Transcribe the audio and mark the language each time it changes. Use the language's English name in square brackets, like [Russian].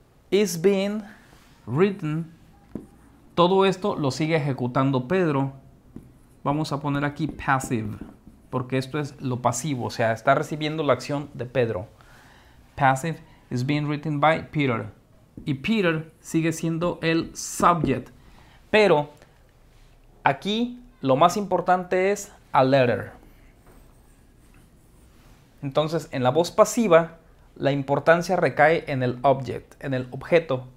[English] Is being written. [Spanish] Todo esto lo sigue ejecutando Pedro. Vamos a poner aquí passive, porque esto es lo pasivo, o sea, está recibiendo la acción de Pedro. [English] Passive is being written by Peter. [Spanish] Y Peter sigue siendo el subject. Pero aquí lo más importante es a letter. Entonces, en la voz pasiva, la importancia recae en el object, en el objeto.